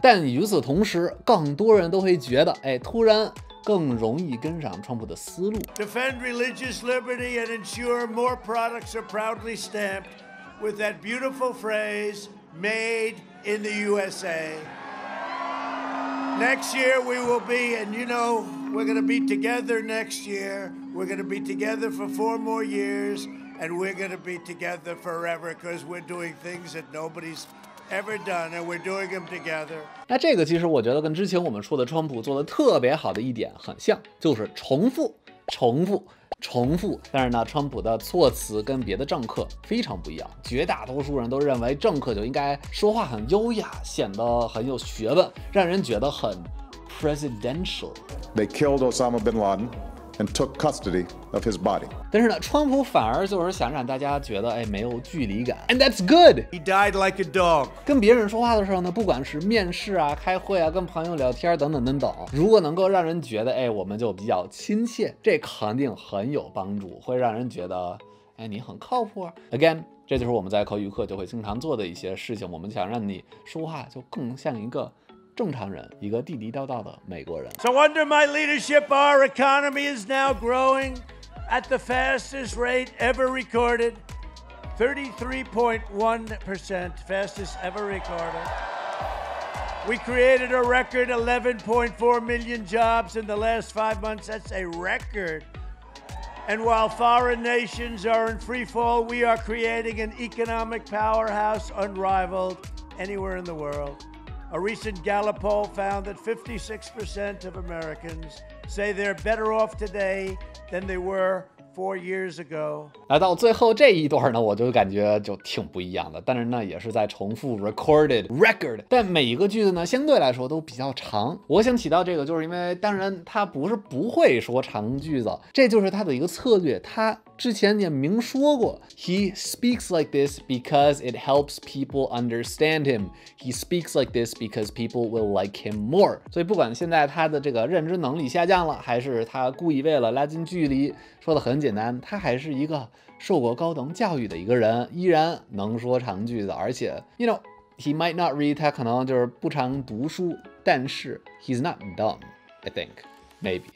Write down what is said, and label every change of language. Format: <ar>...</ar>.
<zh>但与此同时，更多人都会觉得，哎，突然更容易跟上川普的思路。</zh> <en>Defend religious liberty and ensure more products are proudly stamped with that beautiful phrase made in the USA. Next year we will be, and you know, we're going to be together next year. We're going to be together for 4 more years, and we're going to be together forever because we're doing things that nobody's ever done, and we're doing them together.</en> <zh>那这个其实我觉得跟之前我们说的川普做的特别好的一点很像，就是重复，重复，重复。但是呢，川普的措辞跟别的政客非常不一样。绝大多数人都认为政客就应该说话很优雅，显得很有学问，让人觉得很 presidential。</zh> <en>They killed Osama bin Laden and took custody of his body.</en> <zh>但是呢，川普反而就是想让大家觉得，哎，没有距离感。</zh> <en>And that's good. He died like a dog.</en> <zh>跟别人说话的时候呢，不管是面试啊、开会啊、跟朋友聊天等等等等，如果能够让人觉得，哎，我们就比较亲切，这肯定很有帮助，会让人觉得，哎，你很靠谱。 Again, 这就是我们在口语课就会经常做的一些事情，我们想让你说话就更像一个正常人，一个地地道道的美国人。</zh> <en>So under my leadership, our economy is now growing at the fastest rate ever recorded, 33.1%, fastest ever recorded. We created a record 11.4 million jobs in the last 5 months. That's a record. And while foreign nations are in free fall, we are creating an economic powerhouse unrivaled anywhere in the world. A recent Gallup poll found that 56% of Americans say they're better off today than they were 4 years ago.</en> <zh>来到最后这一段呢，我就感觉就挺不一样的，但是呢也是在重复 recorded record， 但每一个句子呢相对来说都比较长。我想提到这个就是因为当然他不是不会说长句子，这就是他的一个策略，他之前也明说过</zh> <en>He speaks like this because it helps people understand him. He speaks like this because people will like him more.</en> <zh>所以不管现在他的这个认知能力下降了，还是他故意为了拉近距离说的很简单，他还是一个受过高等教育的一个人，依然能说长句子。而且</zh> <en>You know, he might not read,</en> <zh>他可能就是不常读书，但是</zh> <en>He's not dumb, I think, maybe.</en>